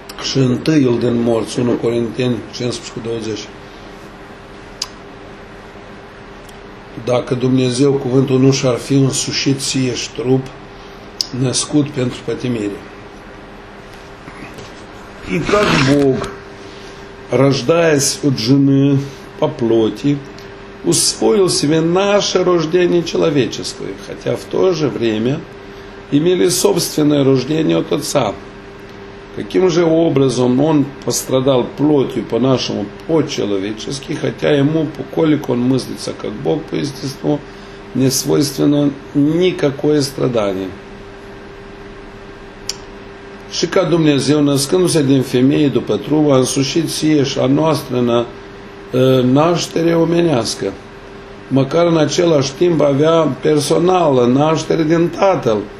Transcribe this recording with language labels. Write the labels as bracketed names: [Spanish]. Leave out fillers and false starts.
[Romanian] Și întâiul din morți, 1 Corinteni 15,20. Dacă Dumnezeu cuvântul nu și-ar fi însușit ție și trup născut pentru pătimire. [Russian] И как Бог, рождаясь от жены по плоти, усвоил себе наше рождение человеческое, хотя в то же время имели собственное рождение от Отца. Каким же образом Он пострадал плотью по нашему по-человечески, хотя Ему, поколик Он мыслится как Бог по естеству, не свойственно никакое страдание? [Romanian] Și ca Dumnezeu, născându-se din femeie după trup, a însușit ție și a noastră naștere omenească. Măcar în același timp avea personală naștere din Tatăl.